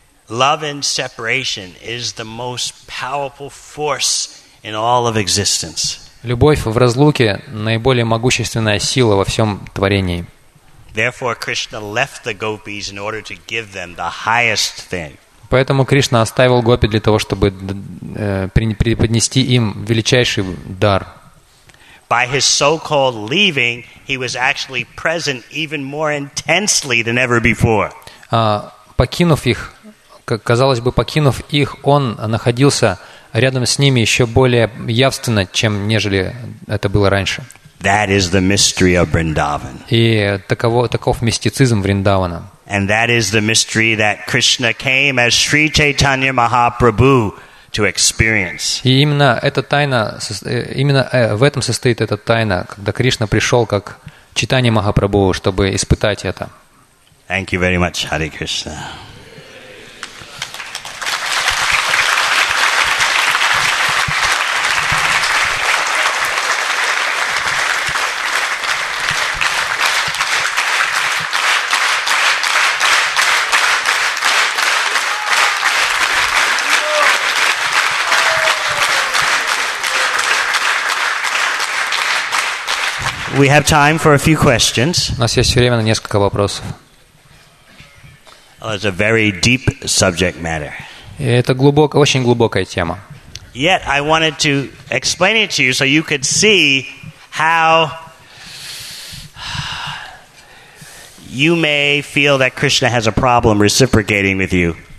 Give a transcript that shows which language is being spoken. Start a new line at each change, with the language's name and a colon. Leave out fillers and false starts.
English: Love and separation is the most powerful force in all of existence.
Russian: Любовь в разлуке – наиболее могущественная сила во всем творении.
English: Therefore, Krishna left the gopis in order to give them the highest thing.
Russian: Поэтому Кришна оставил гопи для того, чтобы преподнести им величайший дар.
English: By his so-called leaving, he was actually present even more intensely than ever before.
Russian: Покинув их, казалось бы, покинув их, он находился рядом с ними еще более явственно, чем нежели это было раньше.
English: That is the mystery of Vrindavan.
Russian: И таков мистицизм Вриндавана.
English: And that is the mystery that Krishna came as Sri Chaitanya Mahaprabhu to experience.
Russian: И именно эта тайна, именно в этом состоит эта тайна, когда Кришна пришел как Чайтанья Махапрабху, чтобы испытать это.
English: Thank you very much, Hare Krishna. We have time for a few questions.
Russian: У нас есть время на несколько вопросов.
English: It's a very deep subject matter.
Russian: Это глубокая, очень глубокая тема.
English: Yet I wanted to explain it to you so you could see how you may feel that Krishna has a problem reciprocating with you.